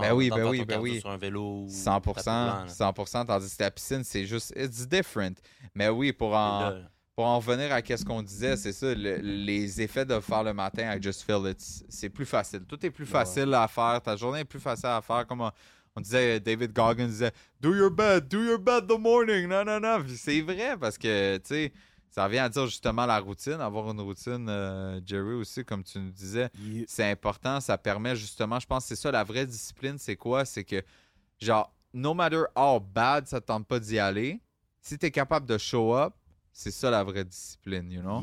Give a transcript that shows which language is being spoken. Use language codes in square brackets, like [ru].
[fr] Ben oui, ben oui, ben oui. Sur un vélo. 100%, 100%, tandis que la piscine, c'est juste, [en] it's different. [fr] Mais oui, pour en revenir à ce qu'on disait, c'est ça, les effets de faire le matin, [en] I just feel it, [fr] c'est plus facile. Tout est plus facile à faire. Ta journée est plus facile à faire. Comme on disait, David Goggins disait, [en] do your bed the morning. [fr] Non, non, non. Puis c'est vrai parce que, tu sais, ça vient à dire justement la routine, avoir une routine, Jerry aussi, comme tu nous disais. Yeah. C'est important. Ça permet justement, je pense, c'est ça, la vraie discipline, c'est quoi? C'est que, genre, [en] no matter how bad, [fr] ça ne tente pas d'y aller. Si tu es capable de [en] show up, [fr] c'est ça la vraie discipline, [en] you know?